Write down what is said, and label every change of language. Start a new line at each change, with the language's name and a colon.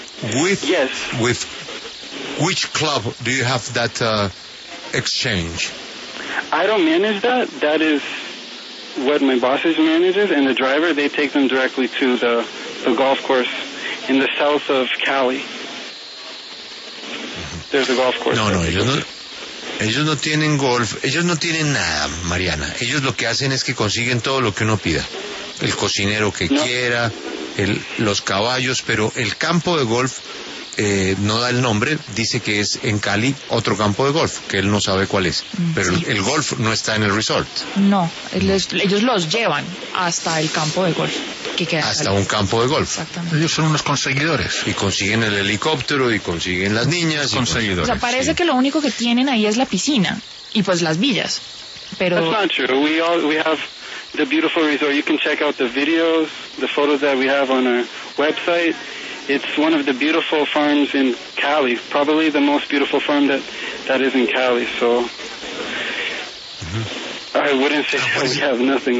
English: With which club do you have that exchange? I don't manage that. That is what my boss's manages, and the driver, they take them directly to the golf course in the south of Cali. There's a golf course.
Spanish: No, ellos no tienen golf. Ellos no tienen nada, Mariana. Ellos lo que hacen es que consiguen todo lo que uno pida. el cocinero que quiera, los caballos, pero el campo de golf no da el nombre, dice que es en Cali otro campo de golf, que él no sabe cuál es, pero sí. El golf no está en el resort. No, ellos los llevan hasta el campo de golf. Que queda hasta un campo de golf. Exactamente. Ellos son unos conseguidores. Y consiguen el helicóptero, y consiguen las niñas. Conseguidores. O sea, parece que lo único que tienen ahí es la piscina, y pues las villas. Pero...
English: That's not true. We have the beautiful resort. You can check out the videos, the photos that we have on our website. It's one of the beautiful farms in Cali, probably the most beautiful farm that is in Cali. So I wouldn't say we have nothing.